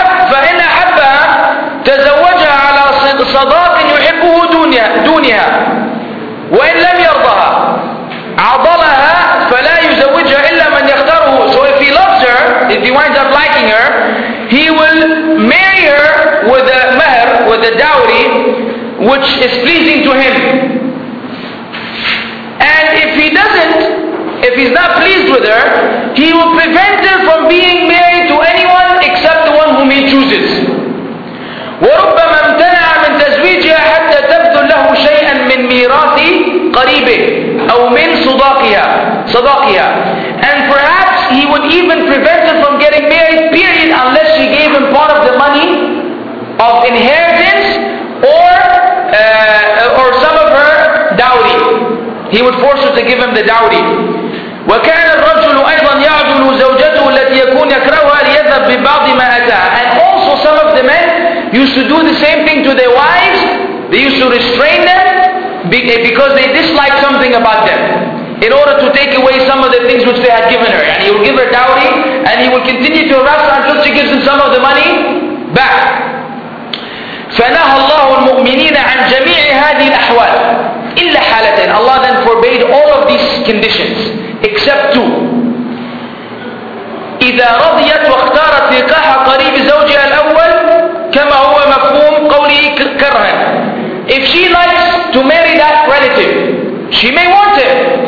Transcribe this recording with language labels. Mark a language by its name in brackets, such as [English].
[Arabic] فإن أحبها تزوجها على صداق يحبه دونها وإن لم يرضها عضلها فلا يزوجها إلا من يختاره. [English] So if he loves her, if he winds up liking her, he will marry her with a mahr, with a dowry, which is pleasing to him. And if he doesn't, if he's not pleased with her, he will prevent her from being married to anyone except the one whom he chooses. [Arabic] وربما امتنع من تزويجها حتى تبذل له شيئا من ميراث قريبه أو من صداقها. [English] And perhaps he would even prevent her from getting married, period, unless she gave him part of the money of inheritance or some of her dowry. He would force her to give him the dowry. [Arabic] وكان الرجل أيضا يعدل زوجته التي يكون يكرهها ليذهب ببعض ما أتاها. [English] And also some of the men used to do the same thing to their wives. They used to restrain them because they disliked something about them, in order to take away some of the things which they had given her. And he would give her dowry, and he would continue to harass her until she gives him some of the money back. [Arabic] فنهى الله المؤمنين عن جميع هذه الأحوال إلا حالتين. [English] Allah then forbade all of these conditions except two. [Arabic] إذا رضيت واختارت لقاح قريب زوجها الأول كما هو مفهوم قوله كرها. [English] If she likes to marry that relative, she may want him.